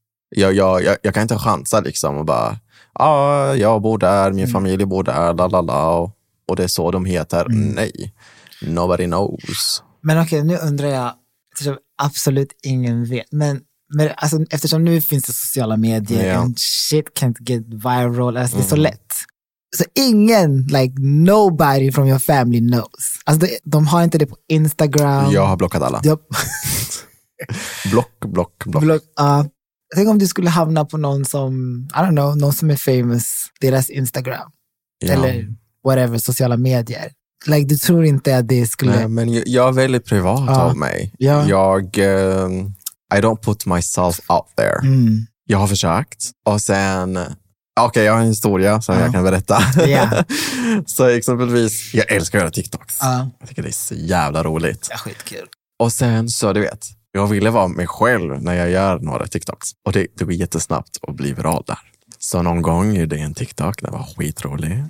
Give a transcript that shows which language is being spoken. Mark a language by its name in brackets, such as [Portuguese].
[Swedish] jag kan inte chansa liksom och bara, ja, ah, jag bor där, min familj bor där, la la la, och det är så de heter. Nej, [English] nobody knows. [Swedish] Men okej, nu undrar jag, absolut ingen vet, men alltså, eftersom nu finns det sociala medier, [English] yeah, and shit can't get viral, [Swedish] alltså, det är så lätt. Så ingen, [English] like nobody from your family knows. [Swedish] Alltså de har inte det på Instagram. Jag har blockat alla. [English] Yep. Block. [Swedish] Tänk om du skulle hamna på någon som, [English] I don't know, [Swedish] någon som är famous, deras Instagram. Yeah. Eller whatever, sociala medier. Like du tror inte att det skulle... Nej, men jag är väldigt privat av mig. [English] Yeah. [Swedish] Jag, [English] I don't put myself out there. [Swedish] Jag har försökt. Och sen... Okej, jag har en historia som jag kan berätta. Så exempelvis, jag älskar att göra TikToks. Jag tycker det är så jävla roligt. Ja, skitkul. Och sen så, du vet, jag ville vara mig själv när jag gör några TikToks. Och det går jättesnabbt att bli viral där. Så någon gång gjorde jag en TikTok, den var skitrolig.